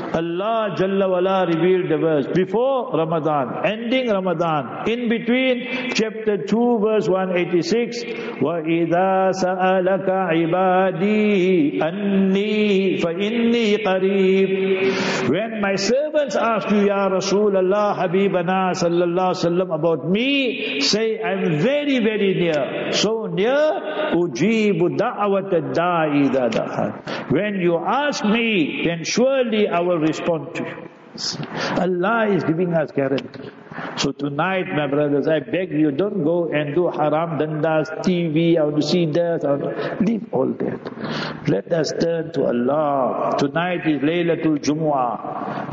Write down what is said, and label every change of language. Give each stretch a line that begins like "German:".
English: Allah jalla wala revealed the verse before Ramadan, ending Ramadan, in between chapter 2 verse 186,
Arabic: وَإِذَا سَأَلَكَ عِبَادِي أَنِّي فَإِنِّي قَرِيبٌ.
English: When my servants ask you, Ya Rasulallah, Habibana sallallahu alayhi wa sallam, about me, say I'm very, very near. So near,
Arabic: أُجِيبُ دَعْوَةَ الدَّاعِ.
English: When you ask me, then surely I will respond to you. Allah is giving us guarantee. So tonight, my brothers, I beg you, don't go and do haram dandas, TV, or see that, or leave all that. Let us turn to Allah. Tonight is Laylatul Jumu'ah.